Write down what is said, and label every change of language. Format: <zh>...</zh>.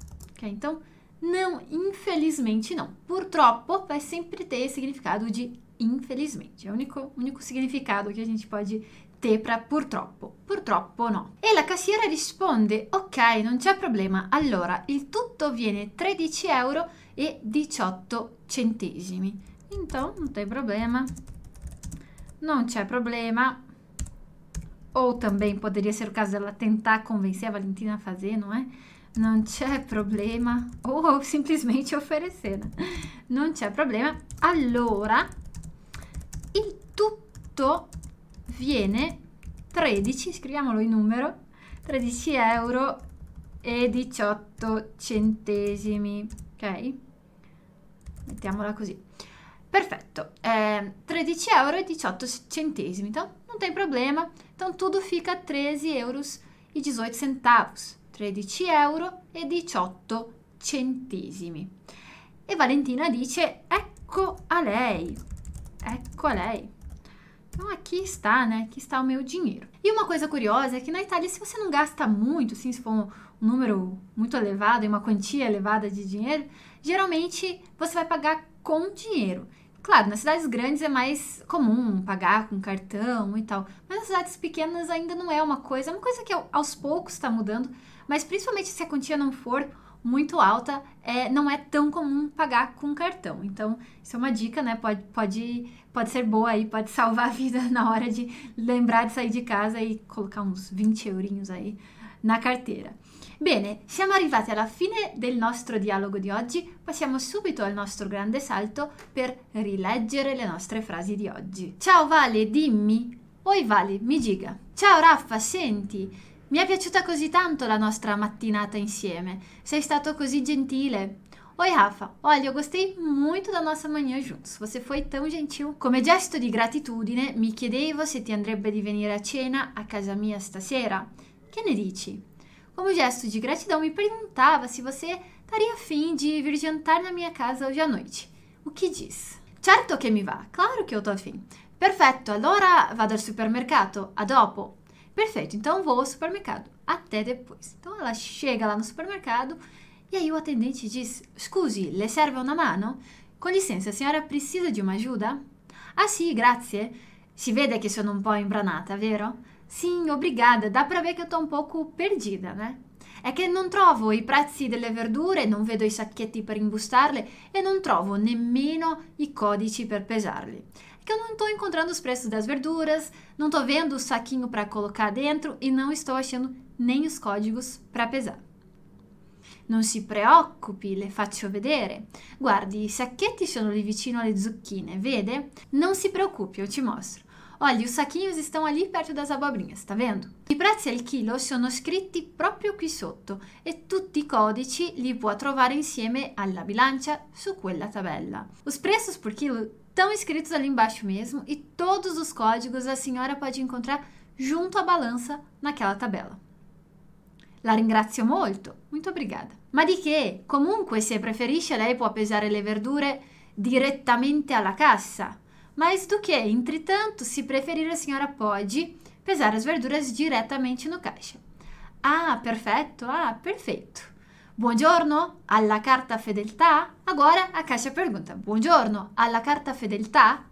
<pt>Ok, então, não, infelizmente não. Purtroppo vai sempre ter significado de infelizmente. É o único significado que a gente pode ter para purtroppo.</pt> <it>Purtroppo no. E la cassiera risponde, ok, non c'è problema. Allora, il tutto viene 13 euro e 18 centesimi.</it> <pt>Então, não tem problema. Não</pt> <it>c'è problema.</it> <pt>Ou também poderia ser o caso dela tentar convencer a Valentina a fazer, não é? Não</pt> <it>c'è problema.</it> <pt>Ou simplesmente oferecer, né? Não c'è problema.</pt> <it>Allora, il tutto viene 13, scriviamolo in numero, 13 euro e 18 centesimi, ok? mettiamola così. Perfetto, 13 euro e 18 centesimi,</it> <pt>então não tem problema. Então tudo fica 13 euros e 18 centavos.</pt> <it>13 euro e 18 centesimi. E Valentina dice, ecco a lei, ecco a lei.</it> <pt>Então aqui está, né, aqui está o meu dinheiro. E uma coisa curiosa é que na Itália, se você não gasta muito, assim, se for um número muito elevado e uma quantia elevada de dinheiro, geralmente você vai pagar com dinheiro. Claro, nas cidades grandes é mais comum pagar com cartão e tal, mas nas cidades pequenas ainda não é uma coisa. É uma coisa que aos poucos está mudando, mas principalmente se a quantia não for muito alta, não é tão comum pagar com cartão. Então, isso é uma dica, né? Pode ser boa aí, pode salvar a vida na hora de lembrar de sair de casa e colocar uns 20 eurinhos aí na carteira.</pt> <it>Bene, siamo arrivati alla fine del nostro dialogo di oggi. Passiamo subito al nostro grande salto per rileggere le nostre frasi di oggi. Ciao Vale, dimmi.</it> <pt>Oi Vale, mi diga.</pt> <it>Ciao Raffa, senti. Mi è piaciuta così tanto la nostra mattinata insieme. Sei stato così gentile.</it> <pt>Oi Rafa, olha, eu gostei muito da nossa manhã juntos. Você foi tão gentil.</pt> <it>Come gesto di gratitudine, mi chiedevo se ti andrebbe di venire a cena a casa mia stasera. Che ne dici?</it> <pt>Como gesto de gratidão, me perguntava se você estaria afim de vir jantar na minha casa hoje à noite. O que diz?</pt> <it>Certo che mi va.</it> <pt>Claro que eu tô afim.</pt> <it>Perfetto, allora vado al supermercato. A dopo.</it> <pt>Perfeito, então vou ao supermercado. Até depois. Então ela chega lá no supermercado e aí o atendente diz,</pt> <it>scusi, le serve una mano?</it> <pt>Com licença, a senhora precisa de uma ajuda?</pt> <it>Ah, sì, grazie. Si vede che sono un po' imbranata, vero?</it> <pt>Sim, obrigada. Dá pra ver que eu tô um pouco perdida, né? É que não</pt> <it>trovo i prezzi delle verdure, não vedo i sacchetti per imbustarle e non trovo nemmeno i codici per pesarli.</it> <pt>É que eu não tô encontrando os preços das verduras, não tô vendo o saquinho pra colocar dentro e não estou achando nem os códigos pra pesar.</pt> <it>Non si preoccupi, le faccio vedere. Guardi, i sacchetti sono lì vicino alle zucchine, vede? Non si preoccupi,</it> <pt>eu te mostro. Olha, os saquinhos estão ali perto das abobrinhas, tá vendo?</pt> <it>I prezzi al chilo sono scritti proprio qui sotto e tutti i codici li può trovare insieme alla bilancia su quella tabella.</it> <pt>Os preços por quilo estão escritos ali embaixo mesmo e todos os códigos a senhora pode encontrar junto à balança naquela tabela.</pt> <it>La ringrazio molto,</it> <pt>muito obrigada.</pt> <it>Ma di che? Comunque, se preferisce, lei può pesare le verdure direttamente alla cassa.</it> <pt>Mas do que? Entretanto, se preferir, a senhora pode pesar as verduras diretamente no caixa. Ah, perfeito. Ah, perfeito.</pt> <it>Buongiorno, alla carta fedeltà?</it> <pt>Agora a caixa pergunta.</pt> <it>Buongiorno, alla carta fedeltà?</it>